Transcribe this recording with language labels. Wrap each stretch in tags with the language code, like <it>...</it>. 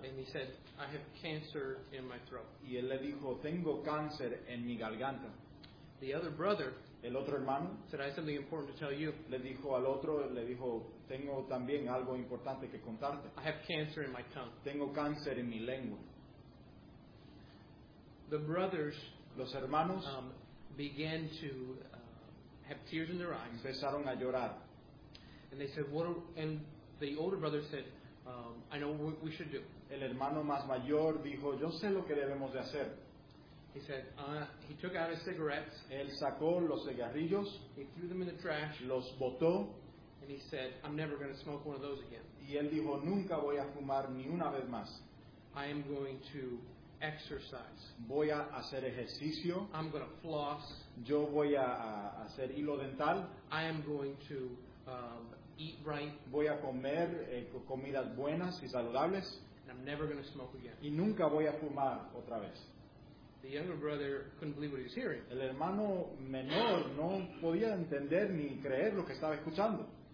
<en>And he said, I have cancer in my throat.</en> <es>Y él le dijo, tengo cáncer en mi garganta.</es> <en>The other brother,</en> <es>el otro hermano,</es> <en>said, I have something important to tell you.</en> <es>Le dijo al otro, le dijo, tengo también algo importante que contarte.</es> <en>I have cancer in my tongue.</en> <es>Tengo cáncer en mi lengua.</es> <en>The brothers,</en> <es>los hermanos,</es> <en>began to have tears in their eyes.</en> <es>Empezaron a llorar.</es> <en>And they said, and the older brother said, I know what we should do.</en> <es>El hermano más mayor dijo, yo sé lo que debemos de hacer.</es> <en>He said, he took out his cigarettes.</en> <es>Él sacó los cigarrillos.</es> <en>He threw them in the trash.</en> <es>Los botó.</es> <en>And he said, I'm never going to smoke one of those again.</en> <es>Y él dijo, nunca voy a fumar ni una vez más.</es> <en>I am going to exercise.</en> <es>Voy a hacer ejercicio.</es> <en>I'm going to floss.</en> <es>Yo voy a hacer hilo dental.</es> <en>I am going to eat right.</en> <es>Voy a comer comidas buenas y saludables.</es> <en>And I'm never going to smoke again.</en> <es>Y nunca voy a fumar otra vez.</es> <en>The younger brother couldn't believe what he was hearing.</en> <es>El hermano menor no podía entender ni creer lo que estaba escuchando.</es>